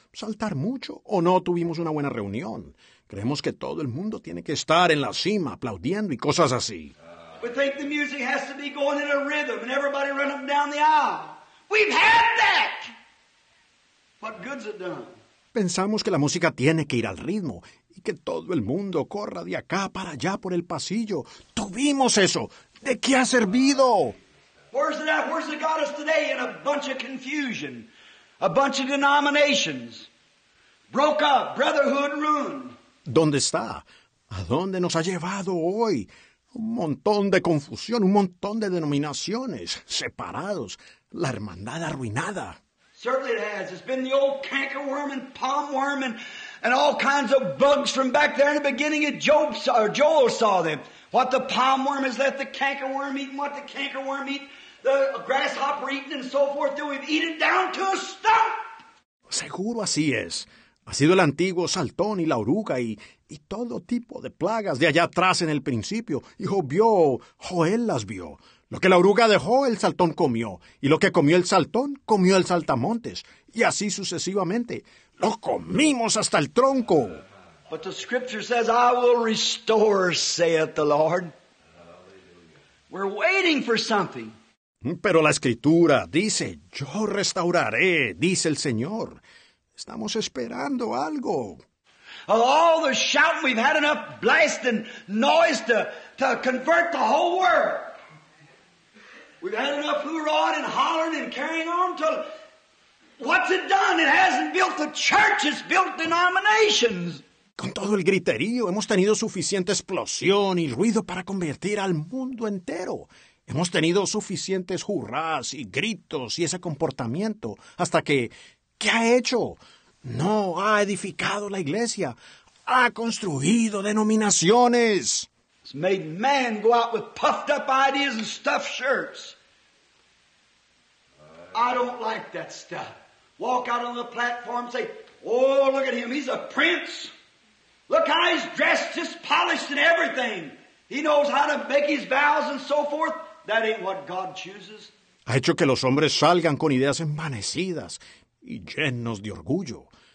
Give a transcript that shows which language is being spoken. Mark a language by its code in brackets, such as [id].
[es] Saltar mucho, o no tuvimos una buena reunión. Creemos que todo el mundo tiene que estar en la cima aplaudiendo y cosas así. [en] We think the music has to be going in a rhythm and everybody run up and down the aisle. We've had that. What good's it done? [es] Pensamos que la música tiene que ir al ritmo y que todo el mundo corra de acá para allá por el pasillo. Tuvimos eso. ¿De qué ha servido? [en] Where's it at? Where's it got us today? In a bunch of confusion, a bunch of denominations, broke up, brotherhood ruined. [es] ¿Dónde está? ¿A dónde nos ha llevado hoy? Un montón de confusión, un montón de denominaciones, separados, la hermandad arruinada. [en] Certainly it has. It's been the old cankerworm and palm worm and all kinds of bugs from back there in the beginning of Job, or Joel saw them. What the palm worm has left the cankerworm eating, what the cankerworm eat, the grasshopper eating and so forth, till we've eaten down to a stump. [es] Seguro así es. Ha sido el antiguo saltón y la oruga y todo tipo de plagas de allá atrás en el principio. Y Job vio, Joel las vio. Lo que la oruga dejó, el saltón comió. Y lo que comió el saltón, comió el saltamontes. Y así sucesivamente. ¡Lo comimos hasta el tronco! [en] But the scripture says, I will restore, saith the Lord. We're waiting for something. [es] Pero la escritura dice, yo restauraré, dice el Señor. Estamos esperando algo. [en] Of all the shouting, we've had enough blast and noise to convert the whole world. We've had enough hoorah and hollering and carrying on till what's it done? It hasn't built the church, it's built denominations. [es] Con todo el griterío, hemos tenido suficiente explosión y ruido para convertir al mundo entero. Hemos tenido suficientes hurras y gritos y ese comportamiento hasta que... ¿Qué ha hecho? No ha edificado la iglesia. Ha construido denominaciones. [en] It's made man go out with puffed up ideas and stuffed shirts. I don't like that stuff. Walk out on the platform and say, oh, look at him, he's a prince. Look how he's dressed, just polished and everything. He knows how to make his vows and so forth. That ain't what God chooses. [es] Ha hecho que los hombres salgan con ideas envanecidas y llenos de orgullo.